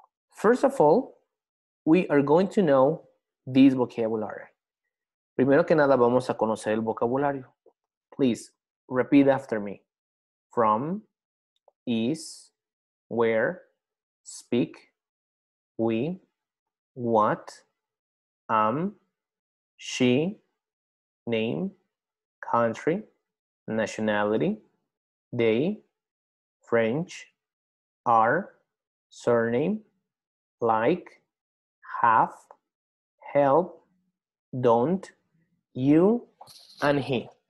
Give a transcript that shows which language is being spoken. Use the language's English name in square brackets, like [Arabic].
[English] First of all, we are going to know this vocabulary. [Spanish] Primero que nada, vamos a conocer el vocabulario. [English] Please, repeat after me. From, is, where, speak, we, what, she, name, country, nationality, they, French, are, surname, like, have, help, don't, you, and he.